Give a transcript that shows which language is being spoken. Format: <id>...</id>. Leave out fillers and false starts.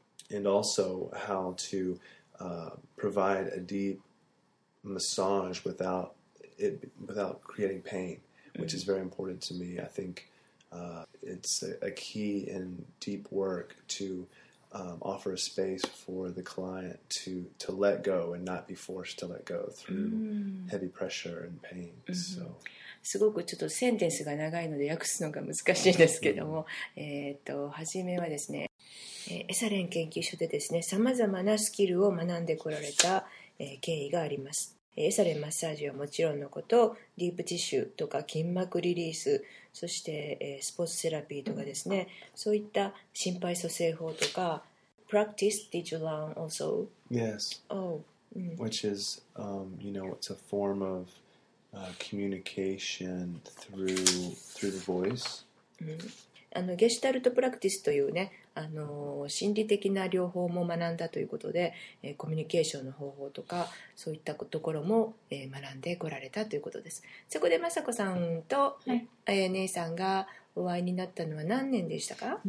<en>And also how to provide a deep massage without creating pain, mm-hmm. which is very important to me. I think it's a key in deep work to offer a space for the client to let go and not be forced to let go through heavy pressure and pain. So,</en> <ja>すごくちょっとセンテンスが長いので訳すのが難しいですけども、初めはですね、エサレン研究所でですね、様々なスキルを学んでこられた、経緯があります。エサレンマッサージはもちろんのこと、ディープティッシュとか筋膜リリース、そしてスポーツセラピーとかですね、そういった心肺蘇生法とか、</ja> <en>practice did you learn also? Yes. Oh. Which is, you know, it's a form of communication through the voice.</en> <ja>ゲシュタルトプラクティスというね、心理的な療法も学んだということで、コミュニケーションの方法とかそういったところも、学んでこられたということです。そこで雅子さんと、はい、姉さんがお会いになったのは何年でしたか？</ja>